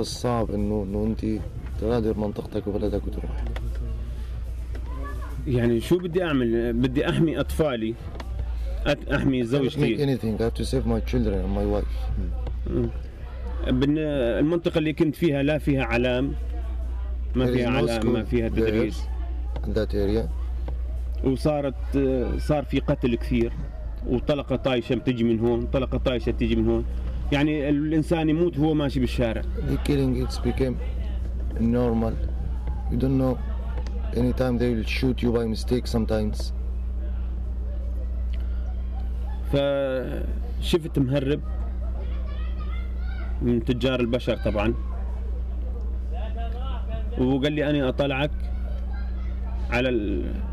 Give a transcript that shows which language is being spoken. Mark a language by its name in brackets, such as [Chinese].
[Arabic] الصعب إنه ننتي تغادر منطقتك وبلدك وتروح. يعني شو بدي أعمل؟ بدي أحمي أطفالي، أحمي زوجتي. [English] Anything. I have to save my children and my wife. [Arabic] المنطقة اللي كنت فيها لا فيها علام ما فيها علام ما فيها تدريس [English] that area. [Arabic] وصارت صار في قتل كثير وطلقة طايشة بتجي من هون طلقة طايشة بتجي من هون يعني الإنسان يموت هو ماشي بالشارع. [English] The killing it's became normal. You don't know anytime they will shoot you by mistake sometimes. [Arabic] فشفت مهرب من تجار البشر طبعا وقال لي أنا أطلعك على ال...